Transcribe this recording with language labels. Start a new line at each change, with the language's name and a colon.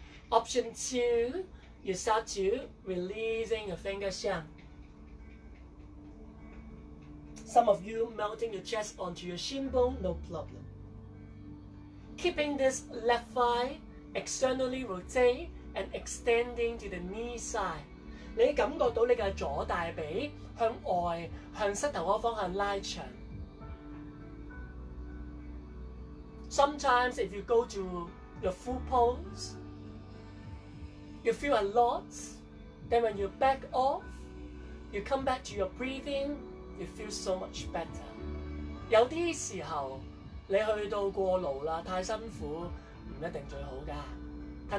English: Option two,You start to releasing your finger sham. Some of you melting your chest onto your shin bone, no problem. Keeping this left thigh externally rotate and extending to the knee side.
Cantonese: 你感覺到你嘅左大髀向外向膝頭嗰方向拉長。
English: Sometimes if you go to your full pose,You feel a lot, then when you back off, you come back to your breathing, you feel so much better.
Cantonese: 有啲時候你去到過勞啦，太辛苦，唔一定最好噶。